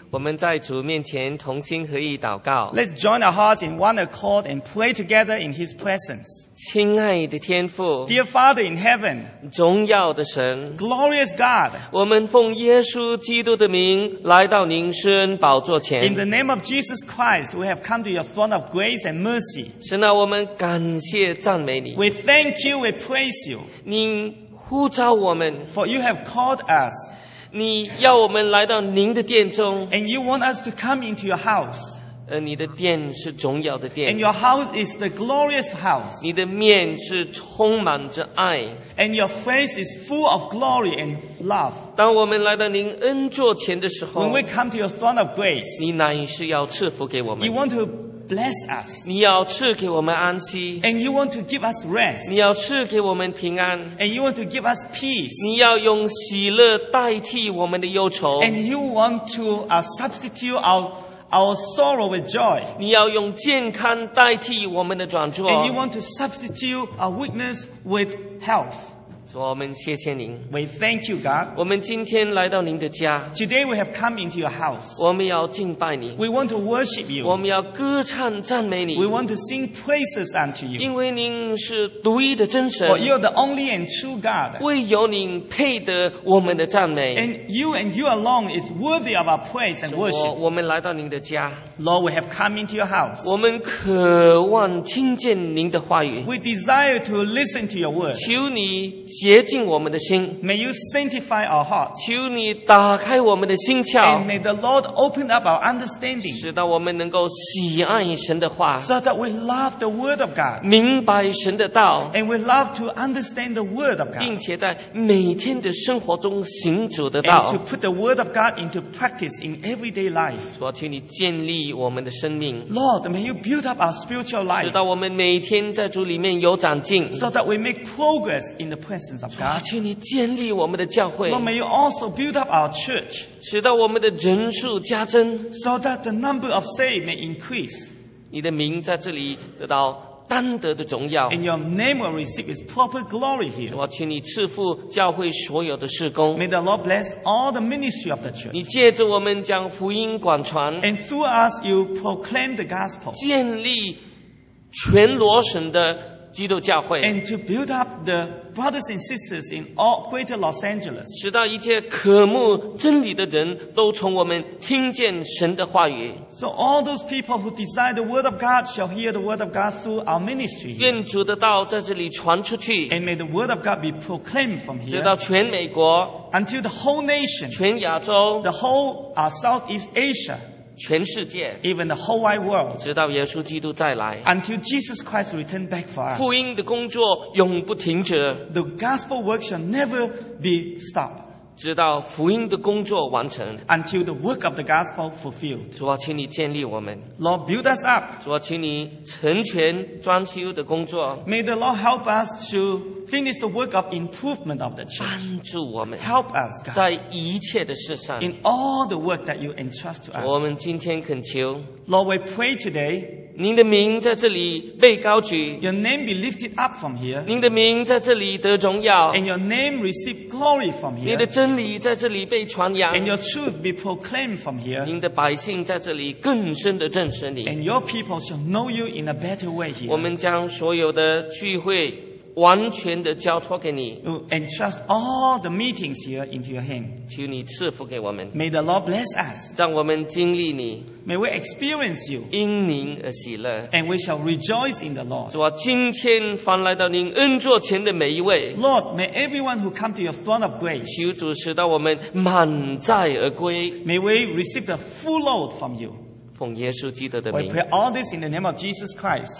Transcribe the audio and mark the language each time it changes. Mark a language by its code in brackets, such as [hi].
[zh] 我们在主面前同心合意祷告。 [en] Let's join our hearts in one accord and pray together in His presence. [zh] 亲爱的天父。 [en] Dear Father in heaven. [zh] 荣耀的神。 [en] Glorious God. [zh] 我们奉耶稣基督的名来到您施恩宝座前。 [en] In the name of Jesus Christ, we have come to your throne of grace and mercy. [zh] 神啊，我们感谢赞美你。 [en] We thank you, we praise you. [zh] 您呼召我们， [en] For you have called us, [zh] 你要我们来到您的殿中， [en] and you want us to come into your house, [zh] 你的殿是荣耀的殿， [en] and your house is the glorious house, [zh] 你的面是充满着爱， [en] and your face is full of glory and love. [zh] 当我们来到您恩座前的时候， [en] when we come to your throne of grace, [zh] 你乃是要赐福给我们。 [en] You want to bless us. [zh] 你要赐给我们安息。 [en] And you want to give us rest. [zh] 你要赐给我们平安。 [en] And you want to give us peace. [zh] 你要用喜乐代替我们的忧愁。 [en] And you want to substitute our sorrow with joy. [zh] 你要用健康代替我们的软弱。 [en] And you want to substitute our weakness with health. [zh] 主，我们谢谢您。 [en] We thank you, God. [zh] 我们今天来到您的家。 [en] Today we have come into your house. [zh] 我们要敬拜你。 [en] We want to worship you. [zh] 我们要歌唱赞美你。 [en] We want to sing praises unto you. [zh] 因为您是独一的真神。 [en] For you are the only and true God. [zh] 唯有您配得我们的赞美。 [en] And you alone is worthy of our praise and worship. [zh] 我们来到您的家。 [en] Lord, we have come into your house. [zh] 我们渴望听见您的话语。 [en] We desire to listen to your word. [zh] 求你洁净我们的心。 [en] May you sanctify our hearts. [zh] 求你打开我们的心窍。 [en] And may the Lord open up our understanding. [zh] 使得我们能够喜爱神的话。 [en] So that we love the word of God. [zh] 明白神的道。 [en] And we love to understand the word of God. [zh] 并且在每天的生活中行主的道。 [en] And to put the word of God into practice in everyday life. [zh] 主啊，求你建立我们的生命。 [en] Lord, may you build up our spiritual life. [zh] 使得我们每天在主里面有长进。 [en] So that we make progress in the presence of God. [zh] 求你建立我们的教会。 [en] Lord, may you also build up our church. [zh] 使得我们的人数加增。 [en] So that the number of saved may increase. [zh] 你的名在这里得到单得的荣耀。 [en] And your name will receive its proper glory here. [zh] 主啊，请你赐福教会所有的事工。 [en] May the Lord bless all the ministry of the church. [zh] 你借着我们将福音广传。 [en] And through us you proclaim the gospel. [zh] 建立全罗省的基督教会。 [en] And to build up the brothers and sisters in all greater Los Angeles. [zh] 使到一切渴慕真理的人都从我们听见神的话语。 [en] So all those people who desire the word of God shall hear the word of God through our ministry. [zh] 愿主的道在这里传出去。 [en] And may the word of God be proclaimed from here. [zh] 直到全美国。 [en] Until the whole nation. [zh] 全亚洲。 [en] The whole Southeast Asia. [zh] 全世界 [en] even the whole wide world, [zh] 直到耶稣基督再来 [en] until Jesus Christ returns back for us, [zh] 福音的工作永不停止 [en] the gospel work shall never be stopped, [zh] 直到福音的工作完成 [en] until the work of the gospel fulfilled, [zh] 主啊请你建立我们 [en] Lord build us up, [zh] 主啊请你成全装修的工作 [en] May the Lord help us to finish the work of improvement of the church, [zh] 帮助我们 [en] help us, God, [zh] 在一切的事上 [en] in all the work that you entrust to us. [zh] 我们今天恳求 [en] Lord, we pray today, [zh] 您的名在这里被高举 [en] your name be lifted up from here, [zh] 您的名在这里得荣耀 [en] and your name receive glory from here, [zh] 您的真理在这里被传扬 [en] and your truth be proclaimed from here, [zh] 您的百姓在这里更深地认识你 [en] and your people shall know you in a better way here. [zh] 我们将所有的聚会完全的交托给你 [en] and trust all the meetings here into your hand [zh] 求你赐福给我们 [en] May the Lord bless us [zh] 让我们经历你 [en] May we experience you [zh] 因您而喜乐 [en] and we shall rejoice in the Lord [zh] 主啊今天凡来到您恩座前的每一位 [en] Lord may everyone who come to your throne of grace [zh] 求主使到我们满载而归 [en] May we receive the full load from you [zh] 奉耶稣基督的名 [en] We pray all this in the name of Jesus Christ